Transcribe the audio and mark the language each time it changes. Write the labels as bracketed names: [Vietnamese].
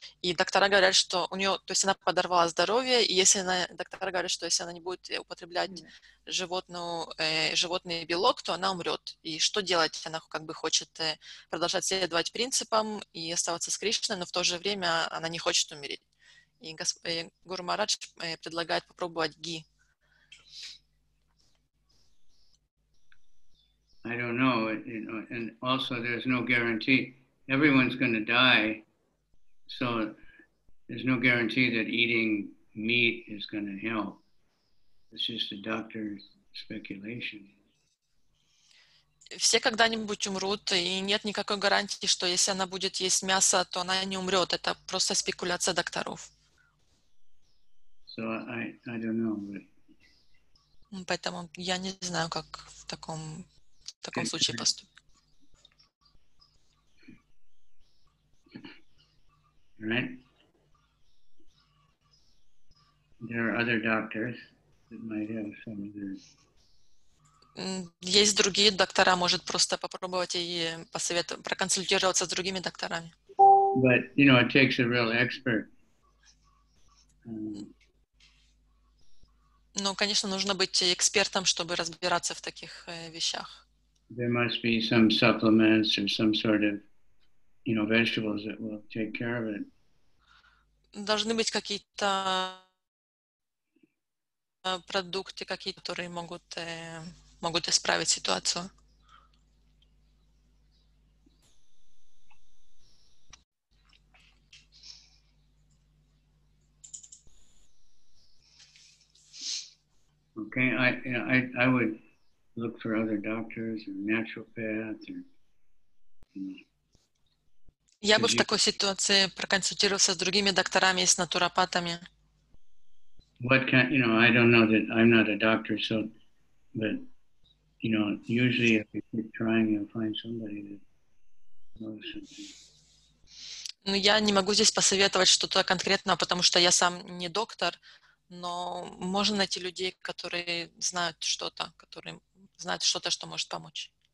[Russian] И доктора говорят, что у нее, то есть она подорвала здоровье, и если она, доктора говорят, что если она не будет употреблять животный белок, то она умрет. И что делать? Она как бы хочет продолжать следовать принципам и оставаться с Кришной, но в то же время она не хочет умереть. И Гуру Марадж предлагает попробовать ги. [English] I don't know, you know, and also there's no guarantee. Everyone's going to die, so there's no guarantee that eating meat is going to help. It's just a doctor's speculation. [Russian] Все когда-нибудь умрут, и нет никакой гарантии, что если она будет есть мясо, то она не умрет. Это просто спекуляция докторов. [English] So I don't know. But... [Russian] Поэтому я не знаю, как в таком... В таком случае поступим. [English] Right. There are other doctors that might have some of this. [Russian] Есть другие доктора, может просто попробовать и посоветовать, проконсультироваться с другими докторами. [English] But, you know, it takes a real expert. [Russian] Ну, конечно, нужно быть экспертом, чтобы разбираться в таких вещах. [English] There must be some supplements or some sort of, you know, vegetables that will take care of it. [Russian] Должны быть какие-то продукты, какие-то, которые могут могут исправить ситуацию. [English] Okay, I would look for other doctors or naturopaths or, [Russian] Я бы в такой ситуации проконсультировался с другими докторами и с натуропатами. [English] What kind, you know, I don't know that I'm not a doctor, so, but, you know, usually if you keep trying, you'll find somebody that knows something. [Russian] Ну, я не могу здесь посоветовать что-то конкретное, потому что я сам не доктор, но можно найти людей, которые знают что-то, которые знать что-то, что может помочь.